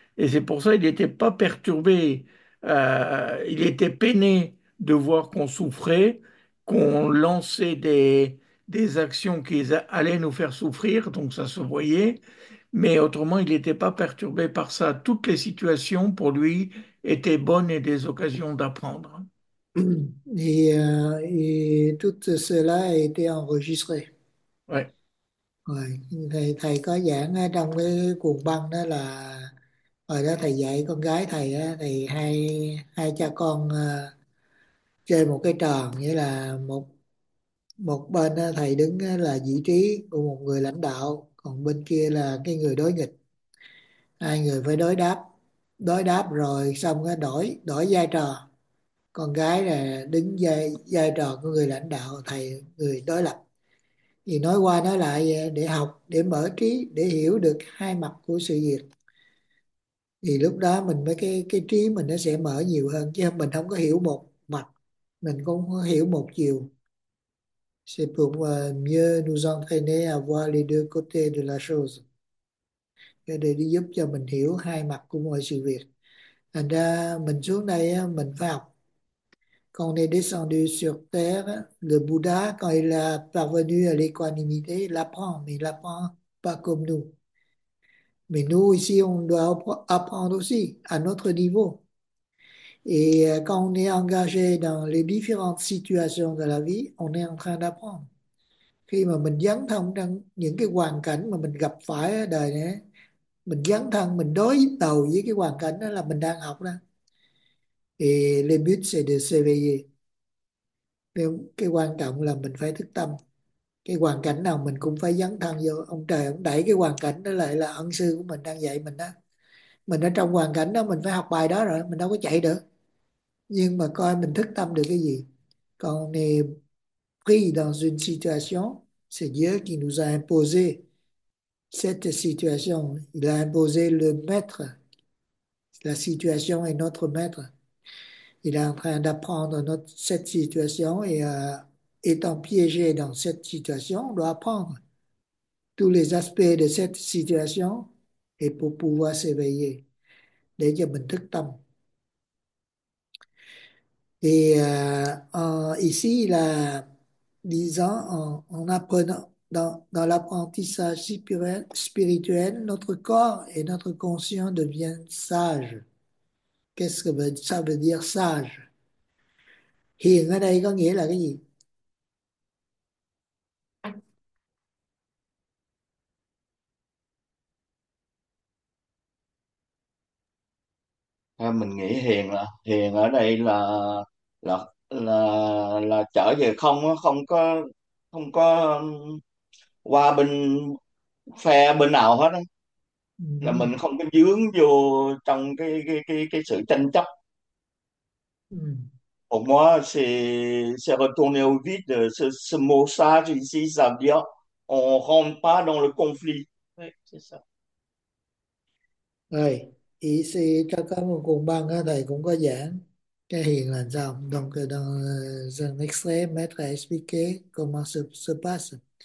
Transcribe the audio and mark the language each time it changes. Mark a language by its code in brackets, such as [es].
[fr] Et c'est pour ça qu'il n'était pas perturbé, il était peiné de voir qu'on souffrait, qu'on lançait des actions qui allaient nous faire souffrir, donc ça se voyait. Mais autrement, il n'était pas perturbé par ça. Toutes les situations, pour lui, étaient bonnes et des occasions d'apprendre. Et tout cela a été enregistré. Ouais. [vi] Rồi, thầy có giảng trong cái cuộn băng đó là hồi đó thầy dạy con gái thầy á, thì hai hai cha con chơi một cái trò, nghĩa là một một bên thầy đứng là vị trí của một người lãnh đạo, còn bên kia là cái người đối nghịch. Hai người phải đối đáp rồi xong đổi đổi vai trò. Con gái là đứng vai trò của người lãnh đạo, thầy người đối lập. Thì nói qua nói lại để học, để mở trí, để hiểu được hai mặt của sự việc. Thì lúc đó mình mới cái trí mình nó sẽ mở nhiều hơn, chứ mình không có hiểu một mặt, mình cũng không có hiểu một chiều. [fr] C'est pour mieux nous entraîner à voir les deux côtés de la chose. [vi] Cái để đi giúp cho mình hiểu hai mặt của mọi sự việc. Thành ra mình xuống đây mình phải học. [fr] Quand on est descendu sur Terre, le Bouddha, quand il a parvenu à l'équanimité, il apprend, mais il apprend pas comme nous. Mais nous, ici, on doit apprendre aussi à notre niveau. Et quand on est engagé dans les différentes situations de la vie, on est en train d'apprendre. [vi] Khi mà mình dấn thân trong những cái hoàn cảnh mà mình gặp phải ở đời này, mình dấn thân, mình đối đầu với cái hoàn cảnh đó là mình đang học đó. [fr] Thì le but c'est de s'éveiller. [vi] Cái quan trọng là mình phải thức tâm. Cái hoàn cảnh nào mình cũng phải dấn thân vô. Ông trời ông đẩy cái hoàn cảnh đó lại là ân sư của mình đang dạy mình đó. Mình ở trong hoàn cảnh đó mình phải học bài đó rồi. Mình đâu có chạy được. Nhưng mà coi mình thức tâm được cái gì. Còn nè, [fr] pris dans une situation, c'est Dieu qui nous a imposé cette situation. Il a imposé le maître. La situation est notre maître. Il est en train d'apprendre cette situation et étant piégé dans cette situation, on doit apprendre tous les aspects de cette situation et pour pouvoir s'éveiller, [vi] để cho mình thức tâm. [fr] Et ici, là, disons, en apprenant dans l'apprentissage spirituel, notre corps et notre conscience deviennent sages. Qu'est-ce que ça veut dire sage? [vi] Hiền ở đây có nghĩa là cái gì? Mình nghĩ hiền là hiền ở đây là trở về không, không có qua bên phe bên nào hết đó. Là mình không có vướng vô trong cái sự tranh chấp. [fr] Pour moi, c'est retourner au vide, ce mot sage ici, ça veut dire on rentre pas dans le conflit. Oui, c'est ça. [vi] Rồi, ý sĩ cho các một cuộn băng á, thầy cũng có giảng cái hiện là sao. [fr] Donc, dans un extrait, maître a expliqué comment se passe.